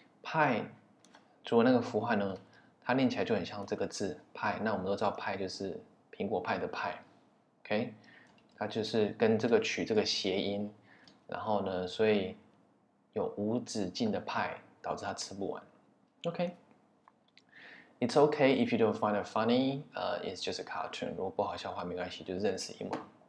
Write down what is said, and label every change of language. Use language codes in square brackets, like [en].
[zh] 派除了那个符号呢，它念起来就很像这个字派。那我们都知道派就是苹果派的派，OK？它就是跟这个取这个谐音。然后呢，所以有无止境的派，导致他吃不完。 [en] OK，It's okay if you don't find it funny. It's just a cartoon. [zh] 如果不好笑的话，没关系，就认识英文。